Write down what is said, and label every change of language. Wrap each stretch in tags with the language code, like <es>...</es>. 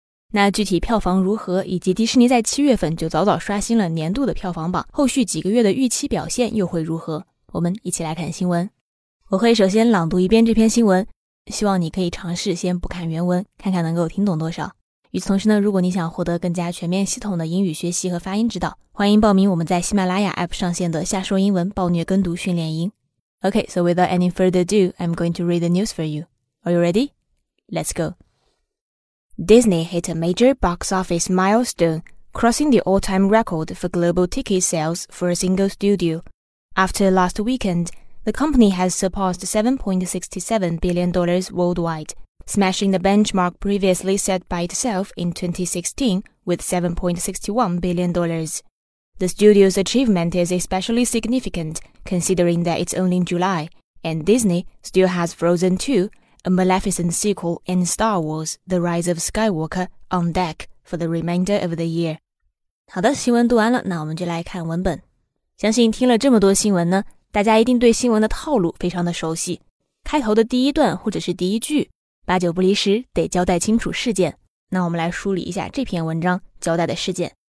<zh>那具体票房如何，以及迪士尼在7月份就早早刷新了年度的票房榜，后续几个月的预期表现又会如何，我们一起来看新闻。我会首先朗读一遍这篇新闻，希望你可以尝试先不看原文，看看能够听懂多少。与此同时呢，如果你想获得更加全面系统的英语学习和发音指导，欢迎报名我们在喜马拉雅 APP 上线的夏说英文暴虐跟读训练营。</zh> <en>OK, so without any further ado, I'm going to read the news for you. Are you ready? Let's go. Disney hit a major box office milestone, crossing the all-time record for global ticket sales for a single studio. After last weekend, the company has surpassed $7.67 billion worldwide. Smashing the benchmark previously set by itself in 2016 with $7.61 billion. The studio's achievement is especially significant considering that it's only in July, and Disney still has Frozen 2, a Maleficent sequel, and Star Wars: The Rise of Skywalker on deck for the remainder of the year.</en> <zh>好的，新闻读完了，那我们就来看文本。相信听了这么多新闻呢，大家一定对新闻的套路非常的熟悉。开头的第一段或者是第一句八九不离十，得交代清楚事件。那我们来梳理一下这篇文章交代的事件。</zh>